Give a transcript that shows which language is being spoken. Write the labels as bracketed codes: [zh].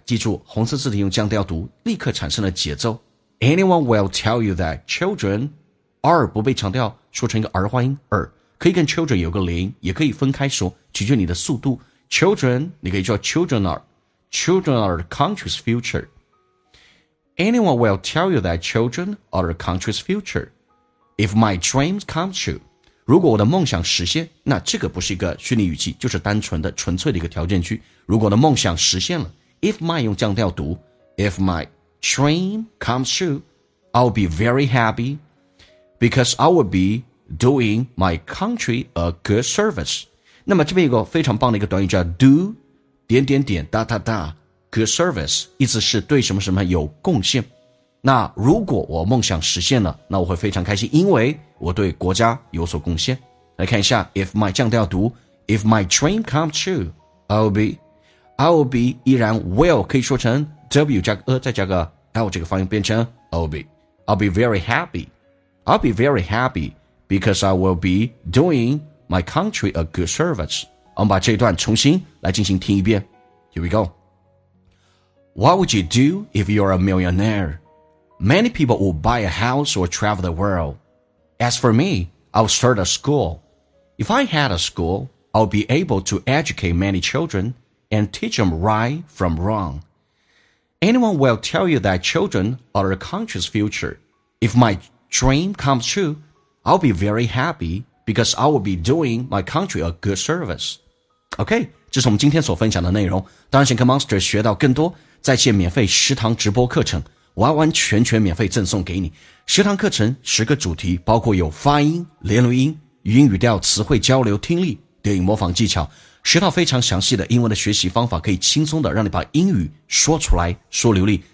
[zh] 记住红色字体用降调读，立刻产生了节奏。 [en] Anyone will tell you that children [zh] are 不被强调，说成一个儿化音可以跟 children 有个连，也可以分开说，取决你的速度。 [en] Children [zh] 你可以叫 [en] children are the country's future。 Anyone will tell you that children are the country's future. If my dreams come true, [zh] 如果我的梦想实现，那这个不是一个虚拟语气，就是单纯的纯粹的一个条件句。如果我的梦想实现了， [en] If my [zh] 用降调读， [en] If my dream comes true, I'll be very happy because I will be doing my country a good service. [zh] 那么这边有个非常棒的一个短语叫 do 点点点 da da da good service， 意思是对什么什么有贡献。那如果我梦想实现了，那我会非常开心，因为我对国家有所贡献。来看一下 [en] If my [zh] 降调读 [en] If my dream comes true I will be 依然 will [zh] 可以说成 W 加个 再加个 L 这个发音变成 [en] I'll be very happy because I will be doing my country a good service。 [zh] 我们把这一段重新来进行听一遍。 [en] Here we go。 What would you do if you're a millionaireMany people will buy a house or travel the world. As for me, I'll start a school. If I had a school, I'll be able to educate many children and teach them right from wrong. Anyone will tell you that children are a country's future. If my dream comes true, I'll be very happy because I will be doing my country a good service. [zh] Okay, 这是我们今天所分享的内容。当然想跟 Monster 学到更多在线免费食堂直播课程，完完全全免费赠送给你。食堂课程十个主题，包括有发音、连读音、语音语调、词汇交流、听力、电影模仿技巧，十套非常详细的英文的学习方法，可以轻松的让你把英语说出来说流利。